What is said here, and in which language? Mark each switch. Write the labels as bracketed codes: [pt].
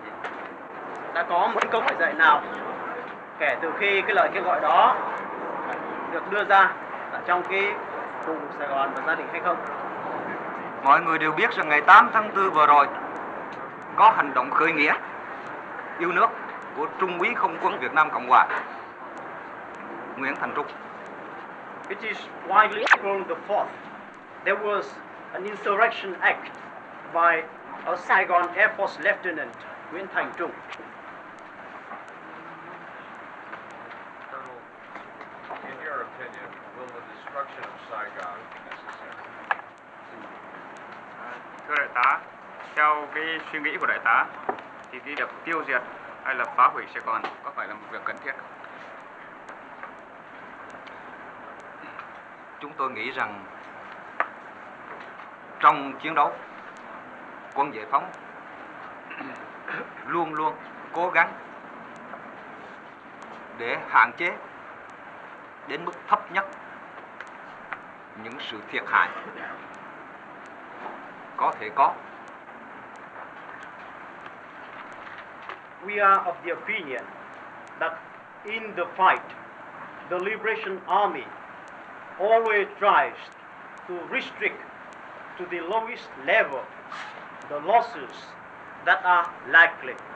[en] since Saigon? [vi] Đã có một công nào kể từ khi cái lời kêu gọi đó được đưa ra ở trong cái vùng Sài Gòn và gia đình hay không? Mọi người đều biết rằng ngày 8 tháng 4 vừa rồi có hành động khởi nghĩa yêu nước của Trung úy Không quân Việt Nam Cộng hòa Nguyễn Thành Trung. [en] It is widely known the fourth there was an insurrection act by a Saigon Air Force Lieutenant, Nguyễn Thành Trung. Colonel, in your opinion, will the destruction of Saigon be necessary? [vi] Thưa đại tá, theo cái suy nghĩ của đại tá, thì cái việc tiêu diệt hay là phá hủy Sài Gòn có phải là một việc cần thiết không? Chúng tôi nghĩ rằng trong chiến đấu, quân giải phóng luôn luôn cố gắng để hạn chế đến mức thấp nhất những sự thiệt hại có thể có. [en] We are of the opinion that in the fight, the Liberation Army always tries to restrict to the lowest level the losses that are likely.